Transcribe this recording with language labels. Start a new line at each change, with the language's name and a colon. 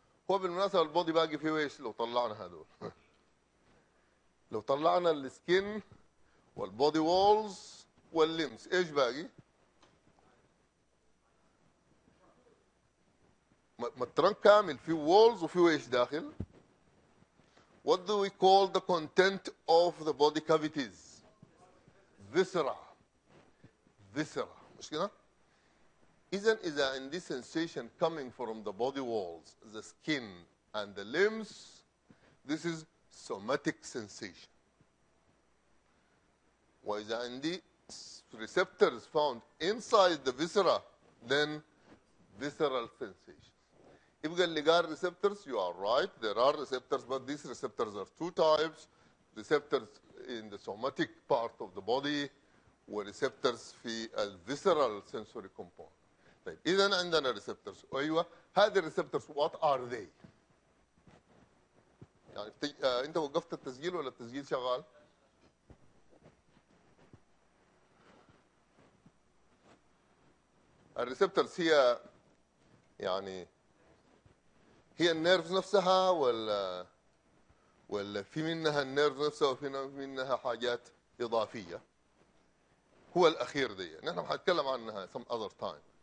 Arabic: هو بالمناسبة البودي باقي فيه ايش لو طلعنا هذول؟ لو طلعنا السكين والبودي وولز واللمس, ايش باقي؟ مترن كامل في وولز وفي ايش داخل؟
English: What do we call the content of the body cavities? Viscera. Viscera.
Arabic: مش كده؟
English: Isn't is there any sensation coming from the body walls, the skin, and the limbs? This is somatic sensation. Why is there any receptors found inside the viscera? Then visceral sensation. If you got receptors, you are right. There are receptors, but these receptors are two types. Receptors in the somatic part of the body, or receptors in the visceral sensory component.
Arabic: طيب اذا عندنا ريسبتورز, ايوه هذه الريسبتورز
English: What are they?
Arabic: يعني انت وقفت التسجيل ولا التسجيل شغال؟ الريسبتورز هي يعني هي النيرف نفسها ولا في منها النيرف نفسها وفي منها حاجات اضافيه؟ هو الاخير ذي نحن حنتكلم عنها
English: Some other time.